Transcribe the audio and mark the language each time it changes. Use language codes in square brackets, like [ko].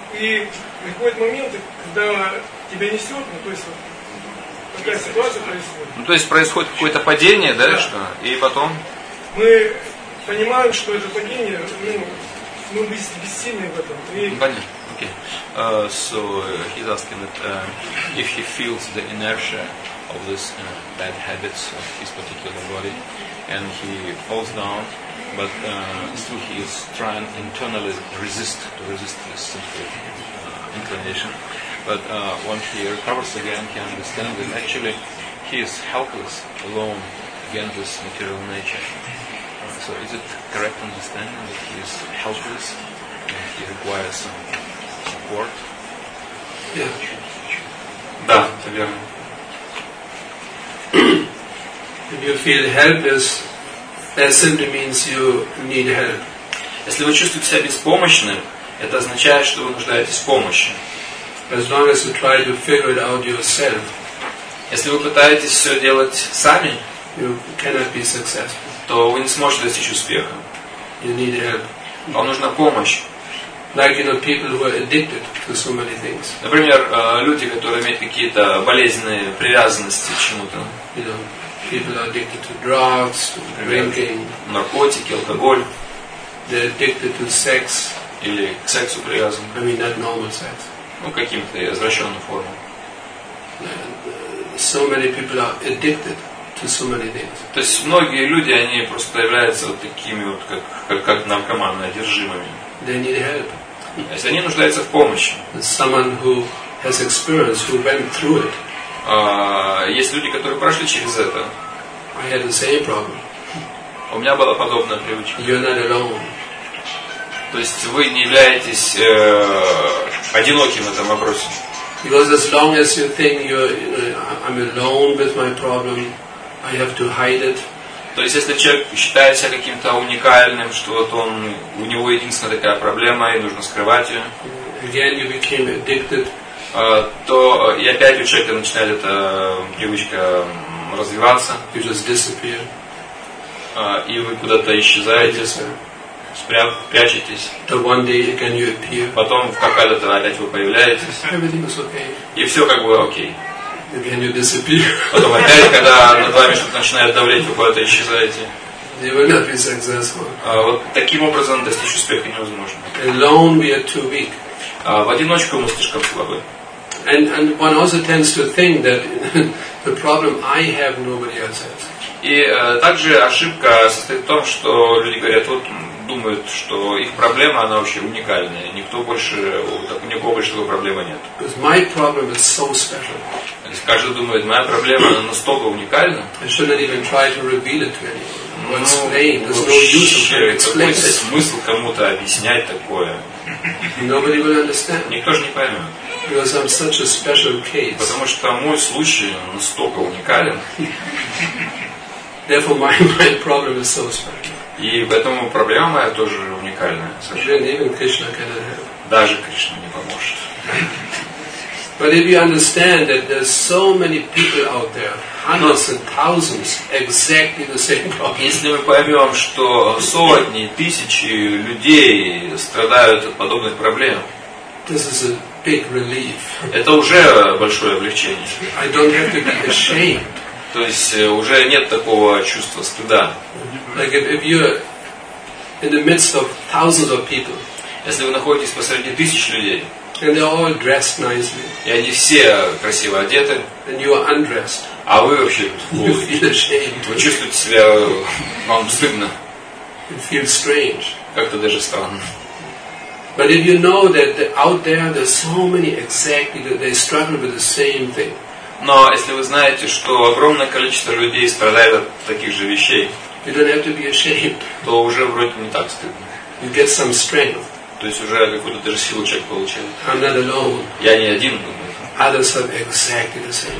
[ru] И приходят моменты, когда тебя несет, ну то есть вот такая ситуация происходит. Ну то есть происходит какое-то падение, да, что? И потом? Мы понимаем, что это падение, ну, мы бессильны в этом. И... Понятно. Okay. [en] So he's asking that if he feels the inertia of this bad habits of his particular body and he falls down. But still he is trying internally to resist this simple inclination. But when he recovers again, he understands that actually he is helpless alone against this material nature. So is it correct understanding that he is helpless and he requires some support? Yeah. [ru] Да, это верно. [en] If you feel helpless, that simply means you need help. [ru] Если вы чувствуете себя беспомощным, это означает, что вы нуждаетесь в помощи. [en] As long as you try to figure it out yourself, [ru] если вы пытаетесь все делать сами, [en] you cannot be successful. [ru] То вы не сможете достичь успеха. [en] You need help. [ru] Вам нужна помощь. [en] Like, you know, people who are addicted to so many things. [ru] Например, люди, которые имеют какие-то болезненные привязанности к чему-то. [en] You know. People are addicted to drugs, to drinking, [ru] наркотики, алкоголь. [en] They're addicted to sex. [ru] Или к сексу привязан. [en] I mean, not normal sex. [ru] Ну, каким-то извращенным формам. [en] So many people are addicted to so many things. [ru] То есть многие люди, они просто являются вот такими вот как наркоманы, одержимыми. [en] They need help. [ru] То есть они нуждаются в помощи. [en] Someone who has experience, who went through it. [ru] Есть люди, которые прошли через это. [en] I had the same problem. [ru] У меня была подобная привычка. [en] You're not alone. [ru] То есть вы не являетесь одиноким в этом вопросе. [en] Because as long as you think I'm alone with my problem, I have to hide it. [ru] То есть если человек считает себя каким-то уникальным, что вот он, у него единственная такая проблема, и нужно скрывать ее. [en] Again, you became addicted. [ru] То и опять у человека начинает эта привычка развиваться. [en] You just disappear. [ru] И вы куда-то исчезаете, прячетесь. [en] The one day again you appear. [ru] Потом в какая-то опять вы появляетесь. [en] Everything is okay. [ru] И все как бы окей. [en] Again you disappear. [ru] Потом опять, когда над вами что-то начинает давлеть, вы куда-то исчезаете. [en] You will not be successful. [ru] Вот таким образом достичь успеха невозможно. [en] Alone we are too weak. [ru] В одиночку мы слишком слабы. [en] And one also tends to think that the problem I have nobody else has. [ru] И также ошибка состоит в том, что люди говорят, вот думают, что их проблема она вообще уникальная, никто больше у него больше такой проблемы нет. [en] Because my problem is so special. [ru] Каждый думает, моя проблема настолько уникальна. [en] I shouldn't even try to reveal it to anyone. Ну, [ru] вообще, какой смысл кому-то объяснять такое? [en] Nobody will understand. [ru] Никто же не поймет. [en] Because I'm such a special case. [ru] Потому что мой случай настолько уникален. [en] Therefore my problem is so special. [ru] И поэтому проблема моя тоже уникальная. [en] Even Krishna cannot help. [ru] Даже Кришна не поможет. [en] But if you understand that there's so many people out there, hundreds and thousands, exactly the same problem. [ru] Если мы поймем, что сотни, тысячи людей страдают от подобных проблем, [en] this is a big relief. [ru] Это уже большое облегчение. [en] I don't have to be ashamed. [ru] То есть уже нет такого чувства стыда. [en] Like if you're in the midst of thousands of people. [ru] Если вы находитесь посреди тысяч людей. [en] And they're all dressed nicely. [ru] И они все красиво одеты. [en] And you are undressed. [ru] А вы вообще вы чувствуете себя вам стыдно. [en] It feels strange. [ru] Как-то даже странно. [en] But if you know that out there there's so many exactly that they struggle with the same thing. [ru] Но если вы знаете, что огромное количество людей страдает от таких же вещей, [en] you don't have to be ashamed. [ru] То уже вроде не так стыдно. [en] You get some strength. [ru] То есть уже какую-то даже силу человек получил. [en] I'm not alone. [ru] Я не один. [en] Others are exactly the same.